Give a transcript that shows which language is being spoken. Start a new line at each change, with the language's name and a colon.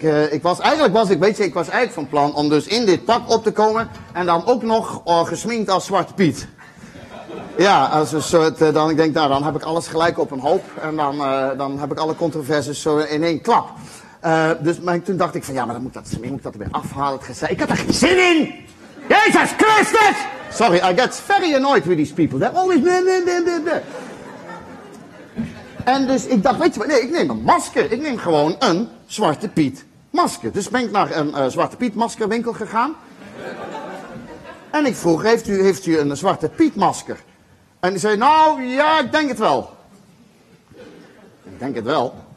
Dutch: Ik was eigenlijk van plan om dus in dit pak op te komen en dan ook nog gesminkt als Zwarte Piet. Ja, als een soort, dan heb ik alles gelijk op een hoop en dan heb ik alle controverses zo in één klap. Toen dacht ik van ja, maar dan moet ik dat weer afhalen. Ik had er geen zin in! Jezus Christus!
English: Sorry, I get very annoyed with these people. They're always blah.
Dutch: En dus ik dacht, weet je wat, nee, ik neem een masker. Ik neem gewoon een Zwarte Piet masker. Dus ben ik naar een Zwarte Piet maskerwinkel gegaan. En ik vroeg, heeft u een Zwarte Piet masker? En die zei, nou, ja, ik denk het wel. Ik denk het wel.